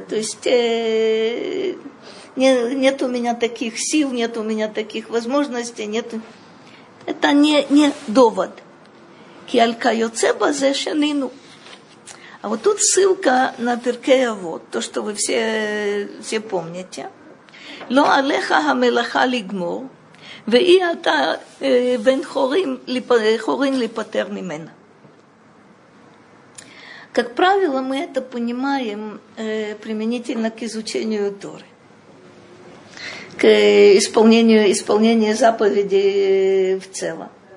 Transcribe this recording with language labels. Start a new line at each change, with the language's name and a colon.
Russian: То есть нет у меня таких сил, нет у меня таких возможностей. Нет. Это не довод.
Hebrew: Киалька йоце базе шенину.
Russian: А вот тут ссылка на Пиркей Авот, то, что вы все помните.
Hebrew: Ло алеха хамелаха лигмор, ואי אתה בן חורין לפטר ממנה.
Russian: Как правило, мы это понимаем применительно к изучению Торы, к исполнению заповедей в целом.